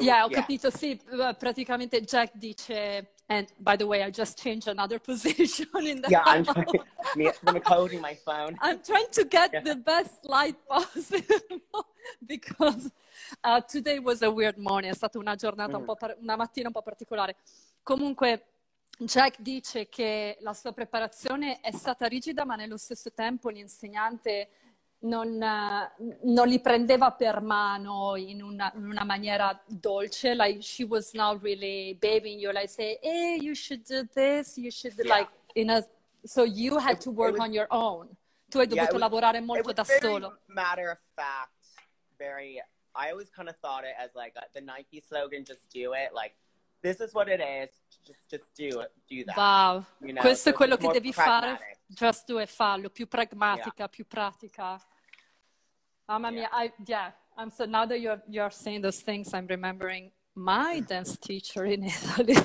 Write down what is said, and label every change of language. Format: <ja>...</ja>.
<it>Capito, sì, praticamente Jack dice,</it> <en>and by the way, I just changed another position in the house. Yeah, I'm coding my phone. I'm trying to get the best light possible because today was a weird morning.</en> <it>È stata una giornata una mattina un po' particolare. Comunque, Jack dice che la sua preparazione è stata rigida, ma nello stesso tempo l'insegnante non li prendeva per mano in una maniera dolce.</it> <en>Like, she was not really babying you. Like, say, hey, you should do this, you should, like, in a... So you had to work on your own.</en> <it>Tu hai dovuto lavorare molto da solo.</it> <en>Matter of fact, very... I always kind of thought it as, like, the Nike slogan, just do it, like, this is what it is, just do that. Wow, you know?</en> <it>Questo è quello che devi fare,</it> <en>just do it,</en> <it>fallo, più pragmatica, più pratica. Mamma mia,</it> <en>I'm so, now that you're saying those things, I'm remembering my dance teacher in Italy.</en>